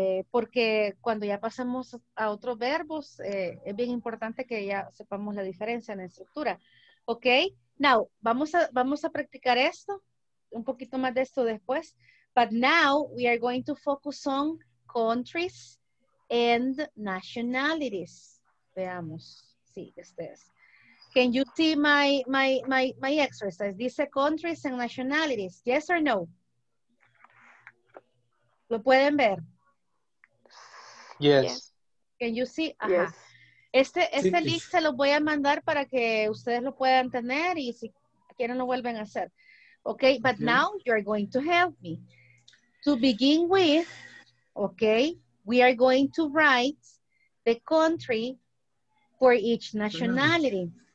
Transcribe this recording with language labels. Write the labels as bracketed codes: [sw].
[es] Porque cuando ya pasamos a otros verbos, es bien importante que ya sepamos la diferencia en la estructura. ¿Ok? [en] Now, [es] vamos a practicar esto, un poquito más de esto después. [en] But now we are going to focus on countries and nationalities. [es] Veamos. Sí, este es. [en] Can you see my exercise? Dice countries and nationalities. Yes or no? [es] ¿Lo pueden ver? [en] Yes. Can you see? Ajá. Yes. [es] Este sí, list sí. Se lo voy a mandar para que ustedes lo puedan tener y si quieren lo vuelven a hacer. [en] Okay, but now you are going to help me. To begin with, okay, we are going to write the country for each nationality.